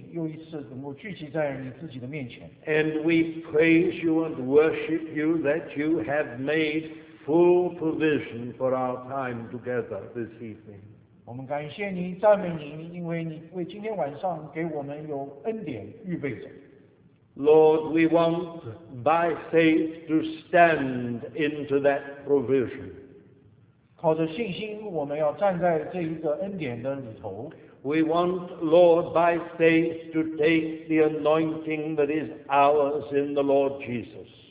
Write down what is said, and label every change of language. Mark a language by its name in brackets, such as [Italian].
[Chinese] 亲爱的主，我们实在感谢你，又一次能够聚集在你自己的面前。 [English] And we praise you and worship you that you have made full provision for our time together this evening. [Chinese] 我们感谢你，赞美你，因为你为今天晚上给我们有恩典预备着。 [English] Lord, we want by faith to stand into that provision. [Chinese] 靠着信心，我们要站在这一个恩典的里头。 [English] We want, Lord, by faith to take the anointing that is ours in the Lord Jesus.